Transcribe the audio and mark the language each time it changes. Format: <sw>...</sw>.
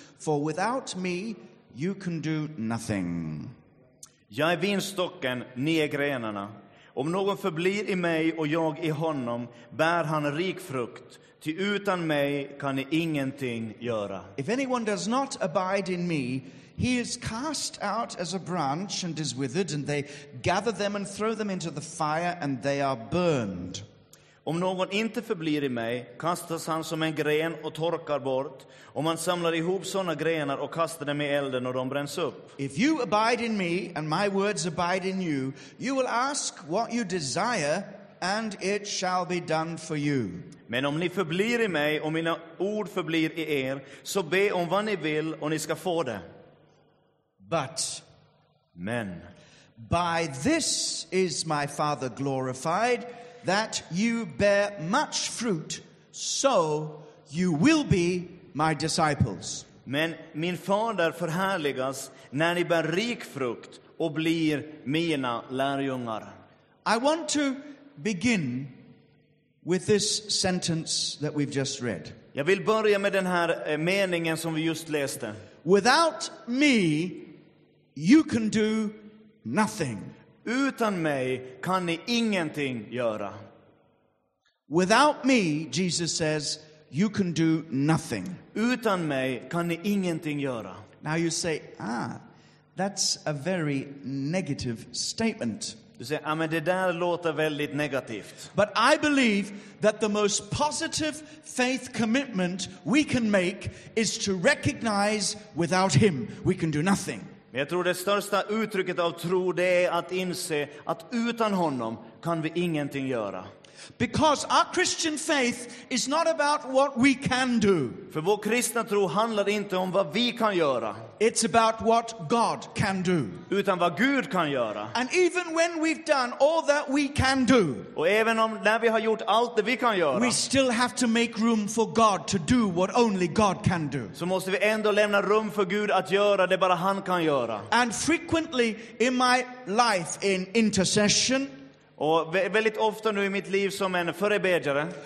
<en>For without me you can do nothing.</en> <sv>Jag är vinstocken, ni är grenarna. Om någon förblir i mig och jag i honom, bär han rik frukt. Ty utan mig kan ni ingenting göra.</sv> <en>If anyone does not abide in me, he is cast out as a branch and is withered, and they gather them and throw them into the fire, and they are burned.</en> <sv>Om någon inte förblir i mig kastas han som en gren och torkar bort. Och man samlar ihop såna grenar och kastar dem i elden och de bränns upp.</sv> <en>If you abide in me and my words abide in you, you will ask what you desire and it shall be done for you.</en> <sv>Men om ni förblir i mig och mina ord förblir i er, så be om vad ni vill och ni ska få det.</sv> <en>Men by this is my Father glorified, that you bear much fruit, so you will be my disciples.</en> <sv>Men min fader förhärligas när ni bär rik frukt och blir mina lärjungar.</sv> <en>I want to begin with this sentence that we've just read.</en> <sv>Jag vill börja med den här meningen som vi just läste.</sv> <en>Without me, you can do nothing.</en> <sv>Utan mig kan ni ingenting göra.</sv> <en>Without me, Jesus says, you can do nothing.</en> <sv>Utan mig kan ni ingenting göra.</sv> <en>Now you say, that's a very negative statement.</en> <sv>Du säger, men det där låter väldigt negativt.</sv> <en>But I believe that the most positive faith commitment we can make is to recognize without him we can do nothing.</en> <sv>Men jag tror det största uttrycket av tro det är att inse att utan honom kan vi ingenting göra.</sv> <en>Because our Christian faith is not about what we can do.</en> <sv>För vår kristna tro handlar inte om vad vi kan göra.</sv> <en>It's about what God can do.</en> <sv>Utan vad Gud kan göra.</sv> <en>And even when we've done all that we can do.</en> <sv>Och även om när vi har gjort allt det vi kan göra.</sv> <en>We still have to make room for God to do what only God can do.</en> <sv>Så måste vi ändå lämna rum för Gud att göra det bara han kan göra.</sv> <en>And frequently in my life in intercession.</en> <sv>Och väldigt ofta nu i mitt liv som en förebedjare.</sv>